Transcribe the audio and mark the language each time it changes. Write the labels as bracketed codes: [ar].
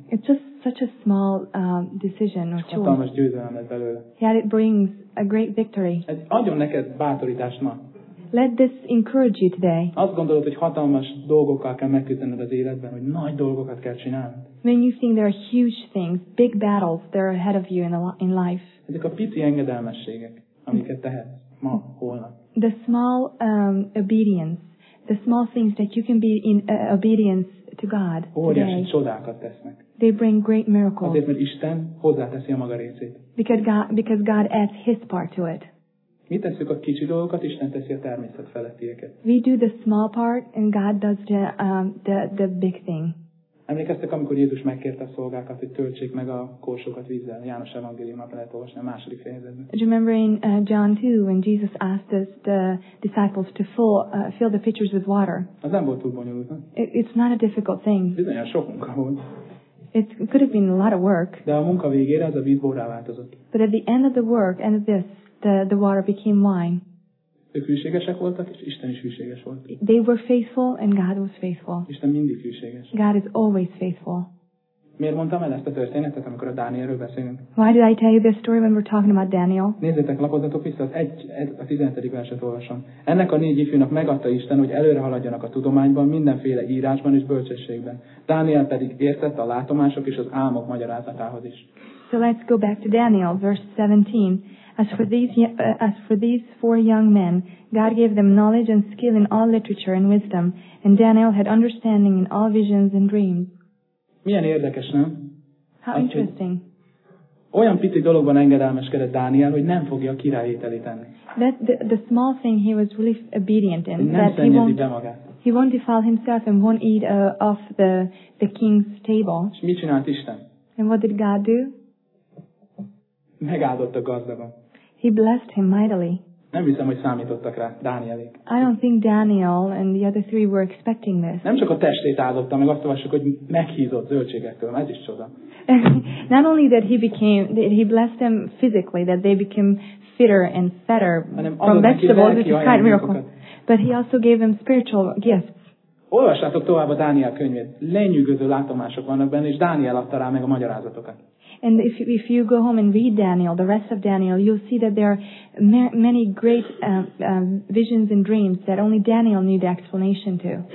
[en] It's just such a small decision or choice. [hu] Hatalmas győzelmet belőle. [en] Yet it brings a great victory. [hu] Ez adjon neked bátorítást ma. [en] Let this encourage you today. [hu] Azt gondolod, hogy hatalmas dolgokkal kell megküzdened az életben, hogy nagy dolgokat kell csinálnod. [en] When you think there are huge things, big battles, there are ahead of you in life. [hu] Ezek a pici engedelmességek, amiket tehetsz ma, holnap. [en] The small obedience, the small things that you can be in obedience to God today. [hu] Óriási csodákat tesznek. [en] They bring great miracles. [hu] Azért, mert Isten hozzáteszi a maga részét. [en] Because God adds his part to it. [hu] Mi tesszük a kicsi dolgokat, Isten teszi a természet felettieket. [en] We do the small part, and God does the big thing. [hu] Emlékeztek, amikor Jézus megkérte a szolgákat, hogy töltsék meg a korsókat vízzel? János evangéliumát lehet olvasni a második fejezetben. [en] Do you remember in John 2, when Jesus asked us, the disciples, to fill the pitchers with water? [hu] Az nem volt túl bonyolult, nem? [en] It's not a difficult thing. [hu] Bizonyan sok munka volt. [en] It could have been a lot of work. [hu] De a munka végére az a víz borrá változott. [en] But at the end of the work, end of this, the water became wine. [hu] Ők hűségesek voltak, és Isten is hűséges volt. [en] They were faithful, and God was faithful. [hu] Isten mindig hűséges. [en] God is always faithful. [hu] Miért mondtam el ezt a történetet, amikor a Dánielről beszélünk? [en] Why did I tell you this story when we're talking about Daniel? [hu] Nézzétek, lapozzatok vissza, a 17. verset olvasom. Ennek a négy ifjúnak megadta Isten, hogy előre haladjanak a tudományban, mindenféle írásban és bölcsességben. Dániel pedig értett a látomások és az álmok magyarázatához is. [en] So let's go back to Daniel, verse 17. As for these four young men, God gave them knowledge and skill in all literature and wisdom, and Daniel had understanding in all visions and dreams. [hu] Milyen érdekes, nem? [en] How interesting. [hu] Olyan pici dologban engedelmeskedett Dániel, hogy nem fogja a király ételét enni. [en] That the small thing he was really obedient in, that he won't defile himself and won't eat off the king's table. [hu] És mit csinált Isten? [en] And what did God do? [hu] Megáldott a gazdagon. [en] He blessed him mightily. [hu] Nem hiszem, hogy számítottak rá, Dánielék. [en] I don't think Daniel and the other three were expecting this. [hu] Nem csak a testét áldotta, meg azt olvassuk, hogy meghízott zöldségektől, ez is csoda. [en] Not only that he blessed them physically, that they became fitter and fatter from vegetables, which is quite a miracle. But he also gave them spiritual gifts. [hu] Olvassátok tovább a Dániel könyvét. Lenyűgöző látomások vannak benne, és Dániel adta rá meg a magyarázatokat. [en] And if you go home and read Daniel, the rest of Daniel, you'll see that there are many great visions and dreams that only Daniel knew the explanation to.